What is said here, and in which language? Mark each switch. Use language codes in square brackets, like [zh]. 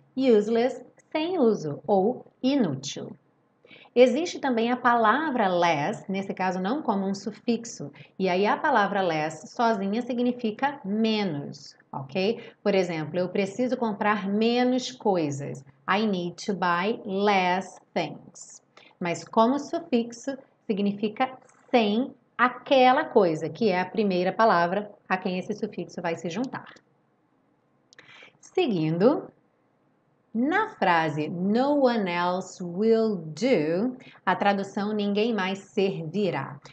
[pt] Useless, sem uso ou inútil. Existe também a palavra less, nesse caso não como um sufixo. E aí a palavra less sozinha significa menos, ok? Por exemplo, eu preciso comprar menos coisas. [en] I need to buy less things. [pt] Mas como sufixo significa sem aquela coisa, que é a primeira palavra a quem esse sufixo vai se juntar. Seguindo, na frase [en] no one else will do, [pt] a tradução ninguém mais servirá.